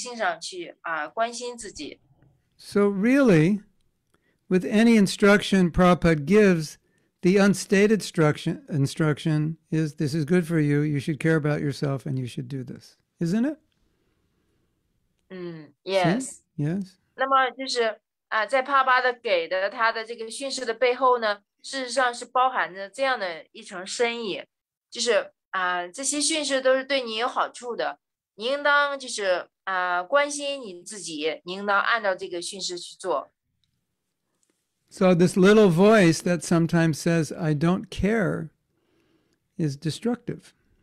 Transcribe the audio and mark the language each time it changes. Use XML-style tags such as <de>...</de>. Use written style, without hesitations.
<zh>你应当给你自己足够的时间去念诵阅读，然后呢，在灵性上去关心自己。</zh> <en>So really, with any instruction Prabhupada gives, the unstated instruction is, this is good for you, you should care about yourself, and you should do this. Isn't it? Yes. See? Yes.</en> <zh>那么就是在帕巴的给的他的这个训示的背后呢, 事实上是包含着这样的一层深意，就是这些训示都是对你有好处的，你应当就是关心你自己，你应当按照这个训示去做。So</zh> <en>this little voice that sometimes says, I don't care, is destructive.</en>